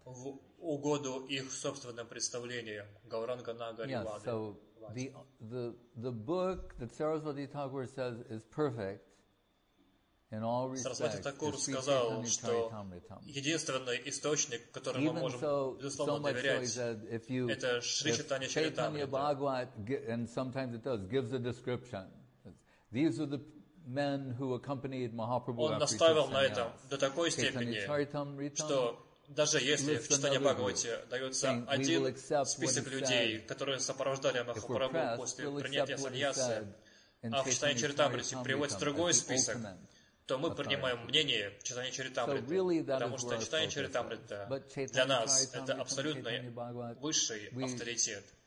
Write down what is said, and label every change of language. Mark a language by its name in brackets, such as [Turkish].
[Russian] В угоду их собственным представлениям Гауранга Нагари Вад. [English] So the book that Saraswati Thakur says is perfect. [Russian] Сарасвати Такур сказал, что единственный источник, которым мы можем безусловно доверять, это Шри Чайтанья Чаритамрита. [English] Бхагават, and sometimes it does, gives a description. These are the men who accompanied Mahaprabhu. [Russian] Он настаивал на этом до такой степени, что даже если в Чайтанья Бхагавате дается один список людей, которые сопровождали Махапрабху после принятия саньясы, а в Чайтанья Чаритамрите приводится другой список, то мы принимаем мнение Чайтанья Чаритамриты, потому что Чайтанья Чаритамрита для нас — это абсолютно высший авторитет.